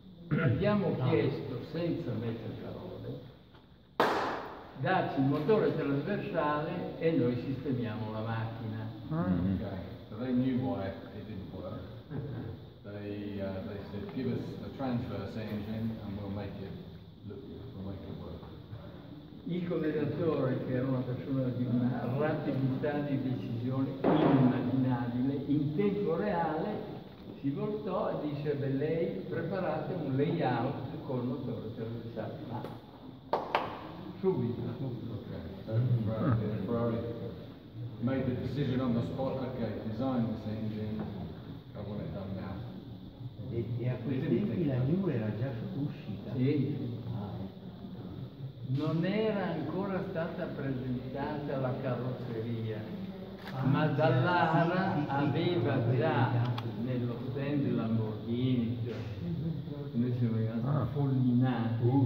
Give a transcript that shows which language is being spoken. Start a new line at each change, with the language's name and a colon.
Italian: Abbiamo chiesto, senza mettere parole, dacci il motore trasversale e noi sistemiamo la macchina.
English: They knew why it didn't work. They said, give us a transverse engine and we'll make it work.
Italian: Il commendatore, che era una persona di una rapidità di decisione inimmaginabile, in tempo reale si voltò e disse, beh, lei preparate un layout col motore trasversale. Ma subito. Okay.
English: Made the decision on the spot, okay, design this engine, I want it done now.
Italian: E a quei tempi la New era già uscita. Sì. non era ancora stata presentata la carrozzeria, ma Dallara aveva già nello stand Lamborghini, cioè, noi siamo rimasti fulminati.